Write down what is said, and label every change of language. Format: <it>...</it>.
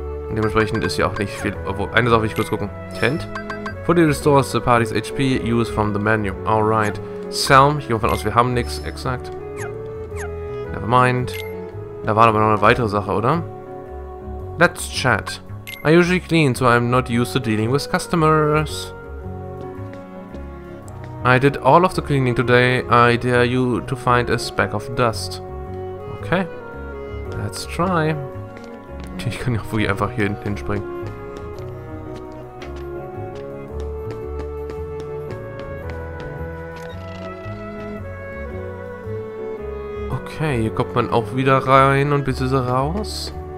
<de>Dementsprechend ist hier auch nicht viel. Obwohl, eine Sache will ich kurz gucken. Tent?</de> <en>Fully restores the party's HP, use from the menu. Alright. Sell?</en> <de>Ich gehe davon aus, wir haben nichts. Exakt.</de> <en>Never mind.</en> <de>Da war aber noch eine weitere Sache, oder?</de> <en>Let's chat. I usually clean, so I'm not used to dealing with customers. I did all of the cleaning today. I dare you to find a speck of dust. Okay. Let's try.</en> <de>Ich kann ja auch wirklich einfach hier hinten springen. Okay, hier kommt man auch wieder rein und bis ist er raus.</de>